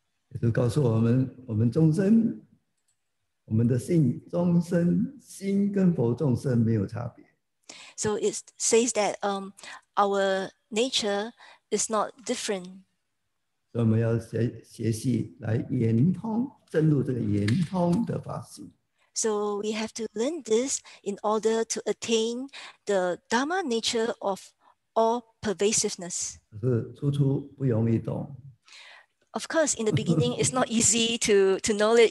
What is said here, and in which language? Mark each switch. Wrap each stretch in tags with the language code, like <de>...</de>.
<zh>也就告诉我们，我们众生，我们的性众生心跟佛众生没有差别.</zh> <en>So it says that our nature is not different.</en> <zh>所以我们要学习来圆通.</zh> <en>So we have to learn this in order to attain the Dharma nature of all pervasiveness. Of course, in the beginning, it's not easy to know it.</en>